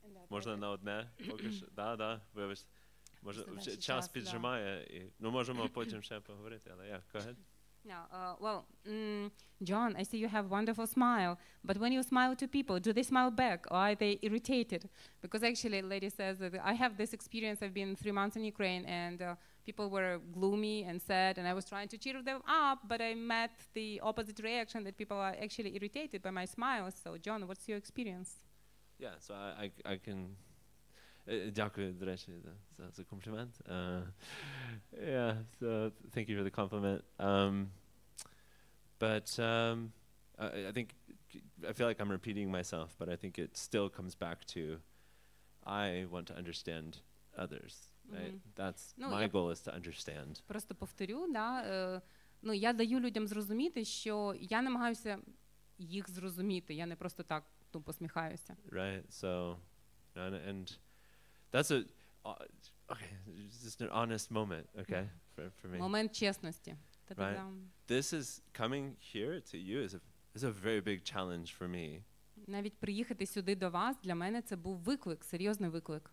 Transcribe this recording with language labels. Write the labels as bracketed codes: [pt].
[uk] можна на одне, поки що. Да, вибач. Може, вже час піджимає, і, ну, можемо потім ще поговорити, але [en] yeah, go ahead. Now, John, I see you have wonderful smile, but when you smile to people, do they smile back or are they irritated? Because actually, lady says that I have this experience. I've been 3 months in Ukraine, and people were gloomy and sad, and I was trying to cheer them up, but I met the opposite reaction, that people are actually irritated by my smile. So, John, what's your experience? Yeah, so I can... [uk] Дякую, до речі, за комплімент. [en] Yeah, so thank you for the compliment. I think I feel like I'm repeating myself, but I think it still comes back to I want to understand others. Mm-hmm. Right? That's no, my goal is to understand. [uk] Просто повторю, да, ну я даю людям зрозуміти, що я намагаюся їх зрозуміти. Я не просто так тупо сміхаюся. [en] Right. So and that's a okay, just an honest moment, okay, for me. [uk] Момент чесності. [en] Right. This is coming here to you is a very big challenge for me. [uk] Навіть приїхати сюди до вас для мене це був виклик, серйозний виклик.